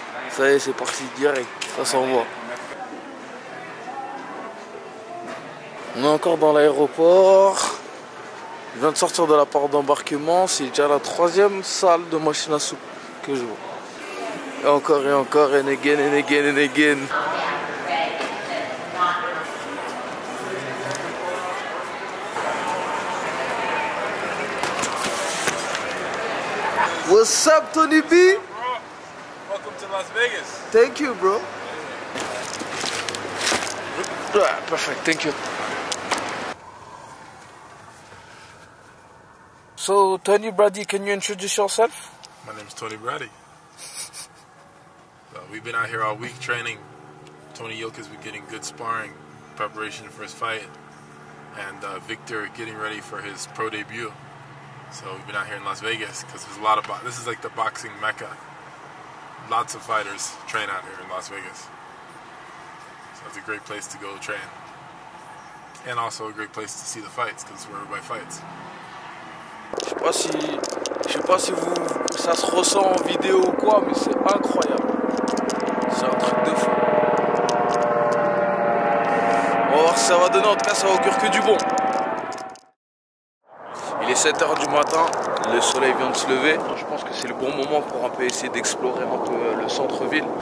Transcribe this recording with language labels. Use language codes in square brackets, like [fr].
[fr] Ça y est, c'est parti direct, ça s'envoie. On est encore dans l'aéroport. Je viens de sortir de la porte d'embarquement. C'est déjà la troisième salle de machine à soupe que je vois. Et encore, [en] and again, and again, and again. What's up, Tony B? What's up, bro? Welcome to Las Vegas. Thank you, bro. Yeah. Perfect, thank you. So, Tony Brady, can you introduce yourself? My name is Tony Brady. We've been out here all week training. Tony Yoka's been getting good sparring, preparation for his fight, and Victor getting ready for his pro debut. So we've been out here in Las Vegas because there's a lot of this is like the boxing mecca. Lots of fighters train out here in Las Vegas. So it's a great place to go train. And also a great place to see the fights because where everybody fights. [fr] Je sais pas si vous ça se ressent en vidéo ou quoi, mais c'est incroyable. C'est un truc de fou. Oh, ça va donner, en tout cas ça augure que du bon. Il est 7h du matin, le soleil vient de se lever. Je pense que c'est le bon moment pour un peu essayer d'explorer un peu le centre-ville.